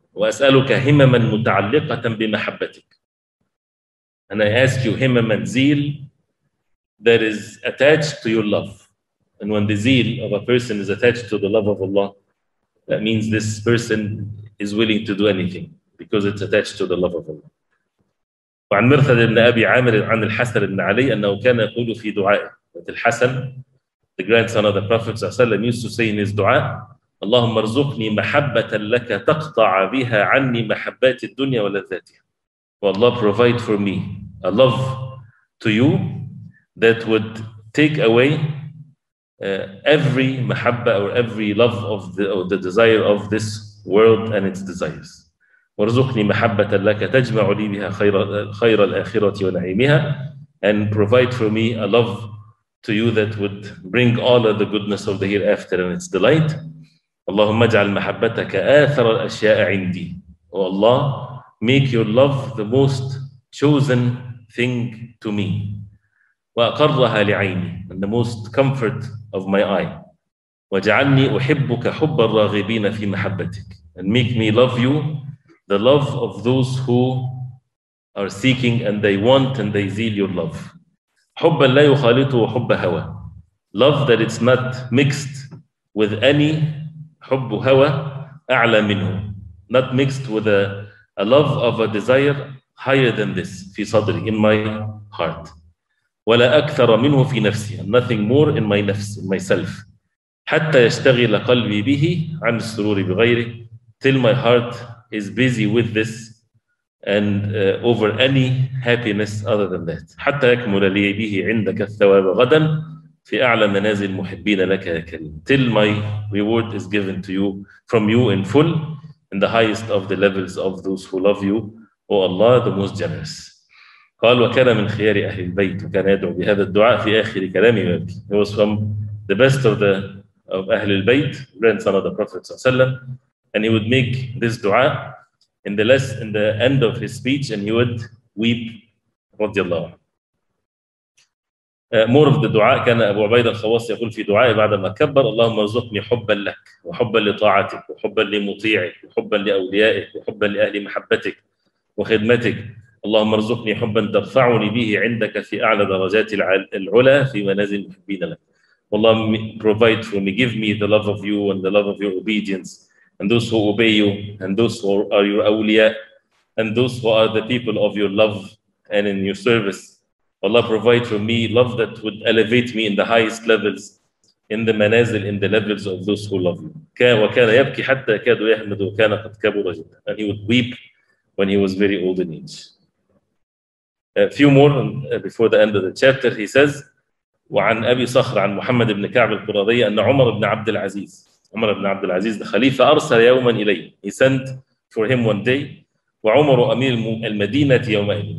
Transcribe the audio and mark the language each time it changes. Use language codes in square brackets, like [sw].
[ar] Wa as'aluka himaman muta'alliqatan bimahabbatik. [en] And I ask you himaman zeal that is attached to your love. And when the zeal of a person is attached to the love of Allah, that means this person is willing to do anything because it's attached to the love of Allah. [ar] وعن مرثد بن أبي عامر عن الحسن بن علي أنه كان يقول في دعائه that الحسن, [en] the grandson of the Prophet [ar] صلى الله عليه وسلم, [en] used to say in his [ar] دعاء, اللهم ارزقني محبة لك تقطع بها عني محبات الدنيا ولذاتها. [en] Oh Allah, provide for me a love to you that would take away every محبة or every love of the desire of this world and its desires. [ar] وارزقني محبة لك تجمع لي بها خير الآخرة ونعيمها, [en] and provide for me a love to you that would bring all of the goodness of the hereafter and its delight. [ar] اللهم اجعل محبتك آثر الأشياء عندي. [en] Oh Allah, make your love the most chosen thing to me. [ar] وأقرها لعيني, [en] and the most comfort of my eye. [ar] وجعلني أحبك حب الراغبين في محبتك, [en] and make me love you the love of those who are seeking and they want and they zeal your love. [ar] حُبًّا لا يُخَالِطُ وَحُبَّ هَوَى. [en] Love that it's not mixed with any [ar] حُبُّ هَوَى أَعْلَى مِنْهُ. [en] Not mixed with a love of a desire higher than this [ar] في صدري, [en] in my heart. [ar] وَلَا أَكْثَرَ مِنْهُ فِي نَفْسِي. [en] Nothing more in my nafs, in myself. [ar] حَتَّى يَشْتَغِلَ قَلْبِي بِهِ عَنْ السُّرُورِ بِغَيْرِهِ. [en] Till my heart is busy with this and over any happiness other than that. [ar] حتى يكمل لي به عندك الثواب غدا في أعلى منازل المحبين لك يا كريم. [en] Till my reward is given to you from you in full in the highest of the levels of those who love you, O Allah, the most generous. [ar] قال وكان من خيار أهل البيت, وكان يدعو بهذا الدعاء في آخر كلامه. [en] It was from the best of أهل البيت, grandson of the Prophet صلى الله عليه وسلم. And he would make this dua in the last, in the end of his speech, and he would weep. [ar] Radiallahu anhu. [en] More of the dua, [ar] كان أبو عبيدة الخواص يقول في دعائه بعدما كبر اللهم ارزقني حبا لك وحبا لطاعتك وحبا لمطيعك وحبا لأوليائك وحبا لأهل محبتك وخدمتك. اللهم ارزقني حبا ترفعني به عندك في أعلى درجات العلا في منازل المحبين لك. [en] والله provide for me, give me the love of you and the love of your obedience and those who obey you and those who are your awliya and those who are the people of your love and in your service. Allah provide for me love that would elevate me in the highest levels, in the manazil, in the levels of those who love you. [ar] وكان يبكي حتى كاد يحمد وكان قد كبر جدا. [en] And he would weep when he was very old in age. A few more before the end of the chapter, he says, [ar] وعن أبي صخر عن محمد بن كعب القرظي أن عمر بن عبد العزيز, عمر بن عبد العزيز الخليفة أرسل يوما إليه. [en] He sent for him one day. [ar] وعمر أمير المدينة يومئذ.